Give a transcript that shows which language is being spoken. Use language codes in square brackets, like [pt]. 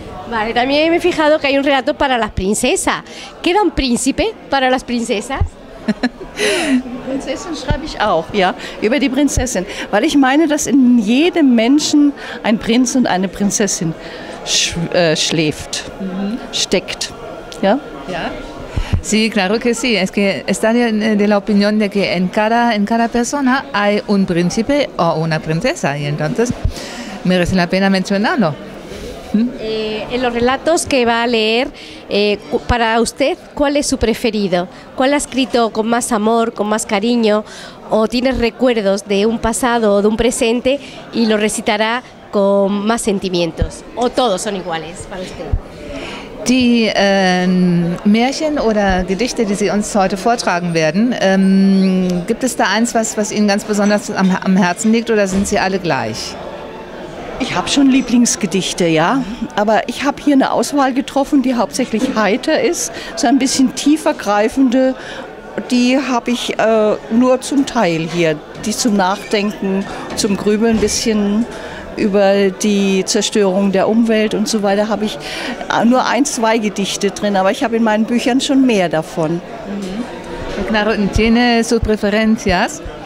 [es] Vale, también me he fijado que hay un relato para las princesas. ¿Queda un príncipe para las princesas? [de] Prinzessin schreibe ich auch, ja, über die Prinzessin, weil ich meine, dass in jedem Menschen ein Prinz und eine Prinzessin schläft, steckt, ja? Ja. [es] Sí, claro que sí. Es que está de la opinión de que en cada persona hay un príncipe o una princesa, y entonces merece la pena mencionarlo. En los relatos que va a leer, para usted, ¿cuál es su preferido? ¿Cuál ha escrito con más amor, con más cariño, o tiene recuerdos de un pasado o de un presente y lo recitará con más sentimientos? ¿O todos son iguales para usted? [de] Die Märchen oder Gedichte, die Sie uns heute vortragen werden, gibt es da eins, was Ihnen ganz besonders am Herzen liegt, oder sind sie alle gleich? Ich habe schon Lieblingsgedichte, ja, aber ich habe hier eine Auswahl getroffen, die hauptsächlich heiter ist, so ein bisschen tiefer greifende, die habe ich nur zum Teil hier, die zum Nachdenken, zum Grübeln ein bisschen über die Zerstörung der Umwelt und so weiter, habe ich nur ein, zwei Gedichte drin, aber ich habe in meinen Büchern schon mehr davon. [es] Claro, tiene sus preferencias.